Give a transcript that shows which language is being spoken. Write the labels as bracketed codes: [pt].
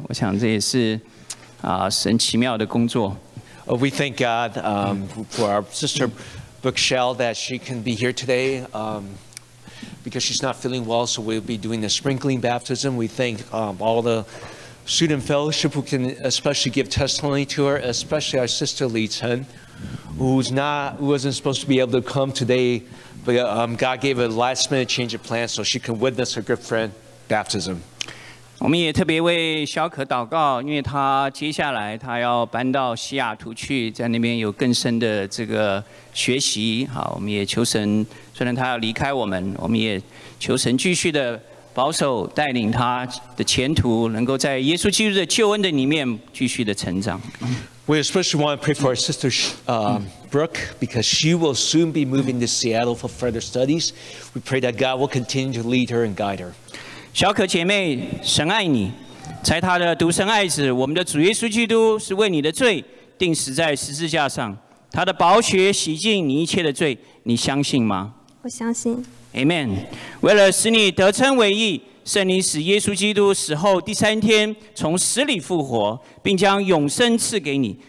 [zh] 我想这也是啊神奇妙的工作。 [en] We thank God for our sister Bookshell that she can be here today because she's not feeling well, so we'll be doing the sprinkling baptism. We thank all the student fellowship who can especially give testimony to her, especially our sister Li Chen, who wasn't supposed to be able to come today, but God gave a last minute change of plans so she can witness her good friend baptism. [zh] 我们也特别为小可祷告，因为他接下来他要搬到西雅图去，在那边有更深的这个学习。好，我们也求神，虽然他要离开我们，我们也求神继续的保守带领他的前途，能够在耶稣基督的救恩的里面继续的成长。 [en] We especially want to pray for our sister Brooke because she will soon be moving to Seattle for further studies. We pray that God will continue to lead her and guide her. [zh] 小可姐妹，神爱你，在他的独生爱子，我们的主耶稣基督是为你的罪钉死在十字架上，他的宝血洗净你一切的罪，你相信吗？我相信。 [en] Amen。 [zh] 为了使你得称为义，圣灵使耶稣基督死后第三天从死里复活，并将永生赐给你。